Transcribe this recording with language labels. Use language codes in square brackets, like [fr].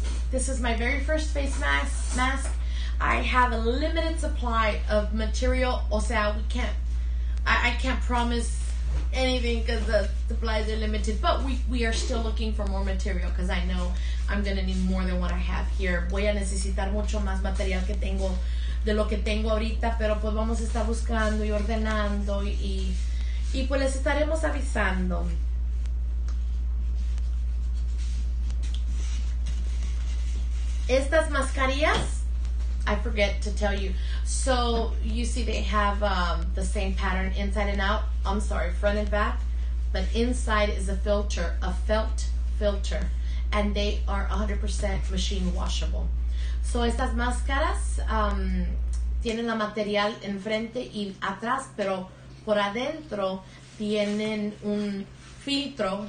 [en] This is my very first face mask. I have a limited supply of material. [es] O sea, [en] we can't. I can't promise anything because the supplies are limited. But we are still looking for more material because I know I'm going to need more than what I have here. [es] Voy a necesitar mucho más material que tengo de lo que tengo ahorita, pero pues vamos a estar buscando y ordenando y pues les estaremos avisando. Estas mascarillas, [en] I forget to tell you. So, you see they have the same pattern inside and out. I'm sorry, front and back. But inside is a filter, a felt filter. And they are 100% machine washable. [es] So estas máscaras tienen la material enfrente y atrás, pero por adentro tienen un filtro.